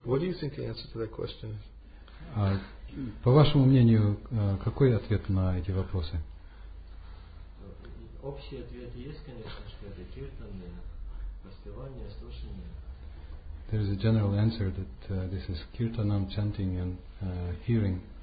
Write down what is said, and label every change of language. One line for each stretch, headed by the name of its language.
English: What do you think the answer to that question is?
Russian: По вашему мнению, какой ответ на эти вопросы? Общий ответ есть, конечно, что это киртаны, распевание, слушание.
English: There is a general answer that this is kirtanam, chanting and hearing.